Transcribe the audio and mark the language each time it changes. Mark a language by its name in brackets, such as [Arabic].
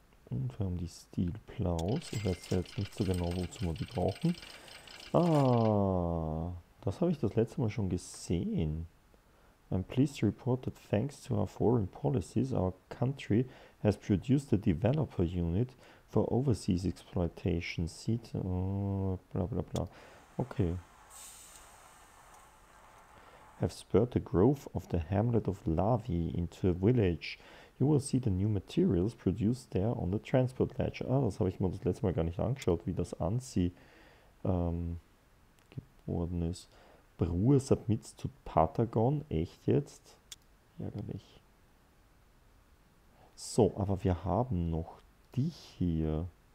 [German] Und wir haben die Steel Plows. Ich weiß jetzt nicht so genau, wozu wir die brauchen. Ah, das habe ich das letzte Mal schon gesehen. [English] I'm pleased to report that thanks to our foreign policies, our country has produced a developer unit for overseas exploitation. Seat, oh, bla bla bla. Okay. Have spurred the growth of the hamlet of Lavi into a village. You will see the new materials produced there on the transport ledge. [German] Ah, das habe ich mir das letzte Mal gar nicht angeschaut, wie das Ansi geworden ist. [English] Bruder submits to Patagon, [German] echt jetzt? Ärgerlich. So, aber wir haben noch dich hier.